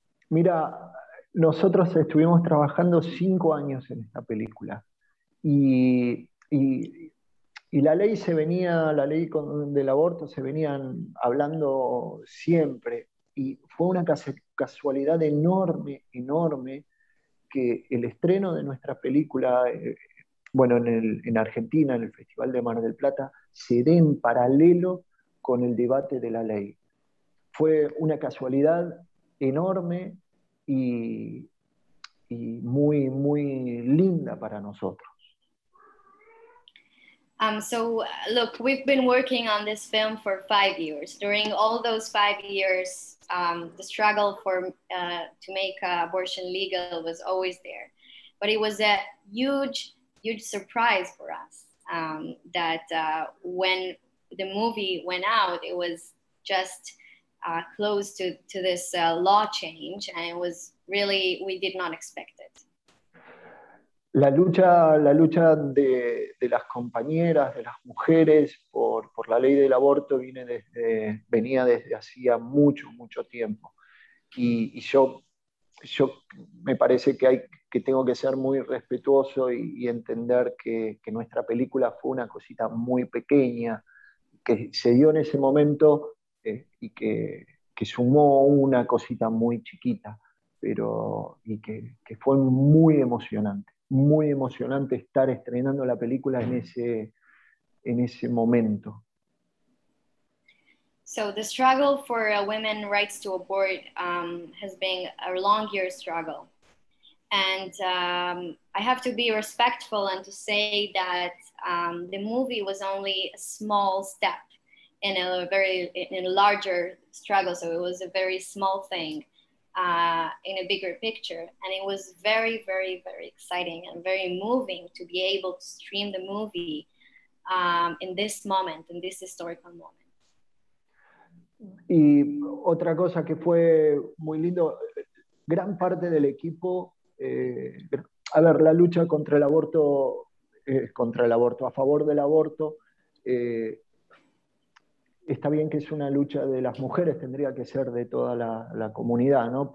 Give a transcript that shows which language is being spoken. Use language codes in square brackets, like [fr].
[es] Mira, nosotros estuvimos trabajando 5 años en esta película y la ley se venía, la ley del aborto se venían hablando siempre, y fue una casualidad enorme, enorme, que el estreno de nuestra película, bueno, en Argentina, en el Festival de Mar del Plata, se dé en paralelo con el debate de la ley. Fue una casualidad enorme y muy, muy linda para nosotros. [en] So, look, we've been working on this film for 5 years. During all those 5 years, the struggle for to make abortion legal was always there. But it was a huge, huge surprise for us that when the movie went out, it was just close to this law change, and it was really, we did not expect it. [es] La lucha de las compañeras, de las mujeres por la ley del aborto venía desde hacía mucho, mucho tiempo. Y yo me parece que tengo que ser muy respetuoso y entender que nuestra película fue una cosita muy pequeña que se dio en ese momento y que sumó una cosita muy chiquita, pero y que fue muy emocionante estar estrenando la película en ese momento. [en] So the struggle for women's rights to abort has been a long year struggle, and I have to be respectful and to say that the movie was only a small step in a larger struggle, so it was a very small thing in a bigger picture, and it was very, very, very exciting and very moving to be able to stream the movie in this moment, in this historical moment. [es] Y otra cosa que fue muy lindo, gran parte del equipo, la lucha contra el aborto, a favor del aborto, está bien que es una lucha de las mujeres, tendría que ser de toda la comunidad, ¿no?